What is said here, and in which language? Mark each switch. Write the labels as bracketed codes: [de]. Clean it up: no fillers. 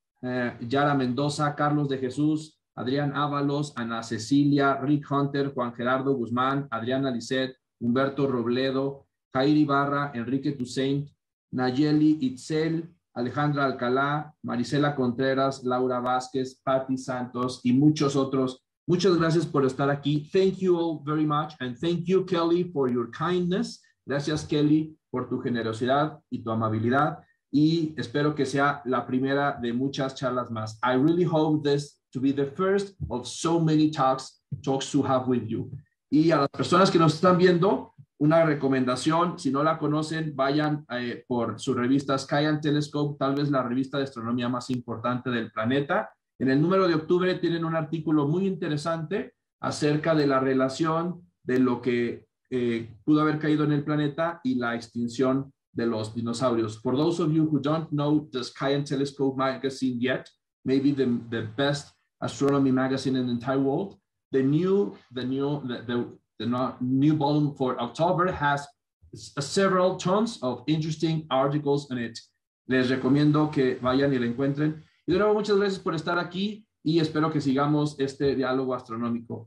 [es] Yara Mendoza, Carlos de Jesús, Adrián Ábalos, Ana Cecilia, Rick Hunter, Juan Gerardo Guzmán, Adriana Lisset, Humberto Robledo, Jair Ibarra, Enrique Toussaint, Nayeli Itzel, Alejandra Alcalá, Marisela Contreras, Laura Vázquez, Patti Santos y muchos otros. Muchas gracias por estar aquí. [en] Thank you all very much. And thank you, Kelly, for your kindness. [es] Gracias, Kelly, por tu generosidad y tu amabilidad. y espero que sea la primera de muchas charlas más. [en] I really hope this to be the first of so many talks to have with you. [es] Y a las personas que nos están viendo, una recomendación, si no la conocen, vayan por su revista Sky Telescope, tal vez la revista de astronomía más importante del planeta. En el número de octubre tienen un artículo muy interesante acerca de la relación de lo que pudo haber caído en el planeta y la extinción de los dinosaurios. [en] For those of you who don't know the Sky Telescope magazine yet, maybe the best astronomy magazine in the entire world, the new volume for October has several tons of interesting articles in it. [es] Les recomiendo que vayan y la encuentren. Y de nuevo, muchas gracias por estar aquí y espero que sigamos este diálogo astronómico.